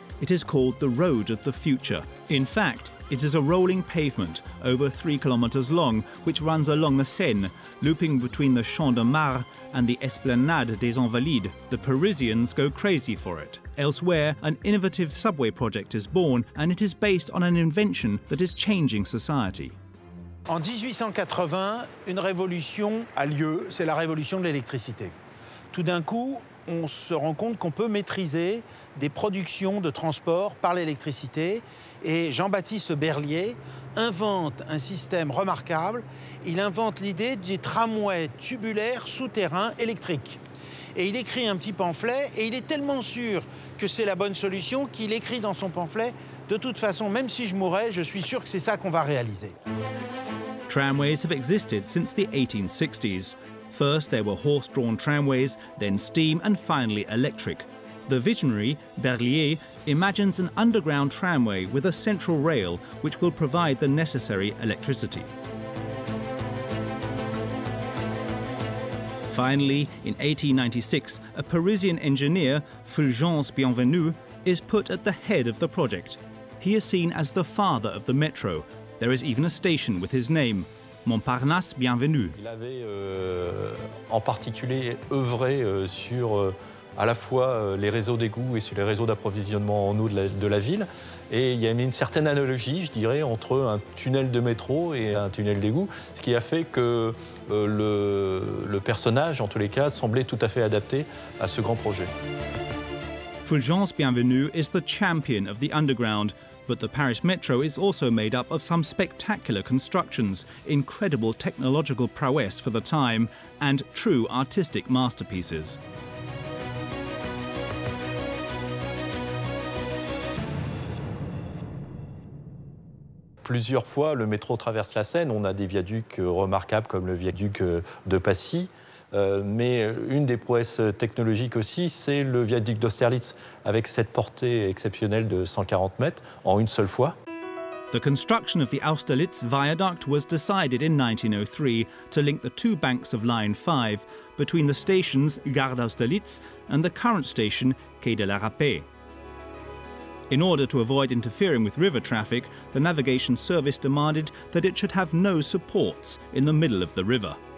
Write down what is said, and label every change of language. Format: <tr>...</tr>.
<en>It is called the road of the future. In fact, it is a rolling pavement over 3 kilometers long, which runs along the Seine, looping between the Champ de Mars and the Esplanade des Invalides. The Parisians go crazy for it. Elsewhere, an innovative subway project is born, and it is based on an invention that is changing society.</en> <fr>En 1880, une révolution a lieu, c'est la révolution de l'électricité. Tout d'un coup, on se rend compte qu'on peut maîtriser des productions de transport par l'électricité. Et Jean-Baptiste Berlier invente un système remarquable. Il invente l'idée des tramways tubulaires souterrains électriques. Et il écrit un petit pamphlet et il est tellement sûr que c'est la bonne solution qu'il écrit dans son pamphlet « De toute façon, même si je mourais, je suis sûr que c'est ça qu'on va réaliser. »</fr> <en>Tramways have existed since the 1860s. First, there were horse-drawn tramways, then steam, and finally electric. The visionary, Berlier, imagines an underground tramway with a central rail which will provide the necessary electricity. Finally, in 1896, a Parisian engineer, Fulgence Bienvenu, is put at the head of the project. He is seen as the father of the metro. There is even a station with his name.</en> <fr>Montparnasse, bienvenue. Il avait en particulier œuvré sur à la fois les réseaux d'égouts et sur les réseaux d'approvisionnement en eau de la ville. Et il y a une certaine analogie, je dirais, entre un tunnel de métro et un tunnel d'égout, ce qui a fait que le personnage, en tous les cas, semblait tout à fait adapté à ce grand projet.</fr> <en>Fulgence Bienvenue is the champion of the underground. But the Paris Metro is also made up of some spectacular constructions, incredible technological prowess for the time, and true artistic masterpieces.</en> <fr>Plusieurs fois, le métro traverse la Seine. On a des viaducs remarquables comme le viaduc de Passy. Mais une des prouesses technologiques aussi, c'est le viaduc d'Austerlitz, avec cette portée exceptionnelle de 140 mètres en une seule fois.</fr> <en>The construction of the Austerlitz viaduct was decided in 1903 to link the two banks of Line 5 between the stations Gare d'Austerlitz and the current station Quai de la Rapée. In order to avoid interfering with river traffic, the navigation service demanded that it should have no supports in the middle of the river.</en>